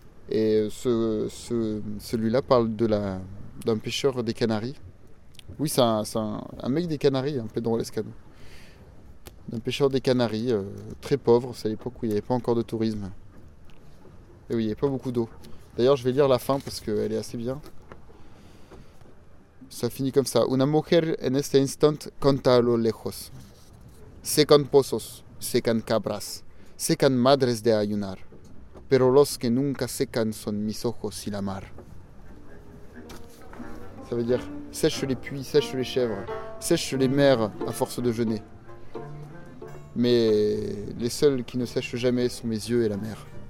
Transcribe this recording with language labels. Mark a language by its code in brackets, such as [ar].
[fr] Et celui-là parle d'un pêcheur des Canaries. Oui, c'est un mec des Canaries, un Pedro Lescano. Un pêcheur des Canaries, très pauvre, c'est à l'époque où il n'y avait pas encore de tourisme. Et oui, il n'y avait pas beaucoup d'eau. D'ailleurs, je vais lire la fin parce qu'elle est assez bien. Ça finit comme ça. [es] Una mujer en este instante canta a lo lejos. Secan pozos, secan cabras, secan madres de ayunar. Pero los que nunca secan son mis ojos y la mar. [fr] Ça veut dire sèche les puits, sèche les chèvres, sèche les mers à force de jeûner. Mais les seuls qui ne sèchent jamais sont mes yeux et la mer.